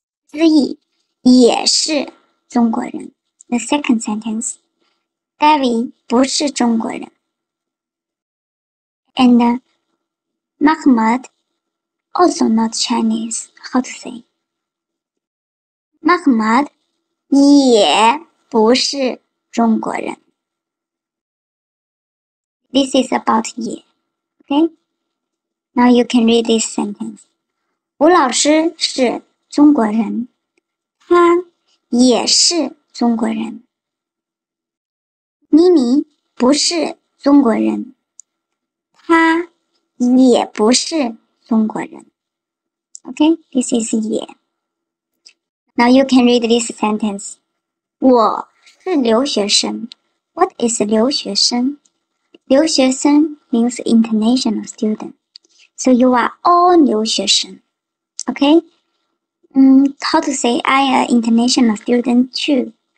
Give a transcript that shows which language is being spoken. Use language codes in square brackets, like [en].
[zh] Ziyi 也是中国人. [en] The second sentence, David [zh] 不是中国人. [en] And Mahmoud also not Chinese. How to say? [zh] Mahmoud 也不是中国人. [en] This is about 也.Okay? Now you can read this sentence. [zh] 吴老师是中国人. 他也是中国人。妮妮不是中国人。他也不是中国人。 [en] Okay, this is [zh] 也. [en] Now you can read this sentence. [zh] 我是留学生。What [en] is 留学生? 留学生 means international student. So you are all 留学生. Okay? How to say I am an international student too?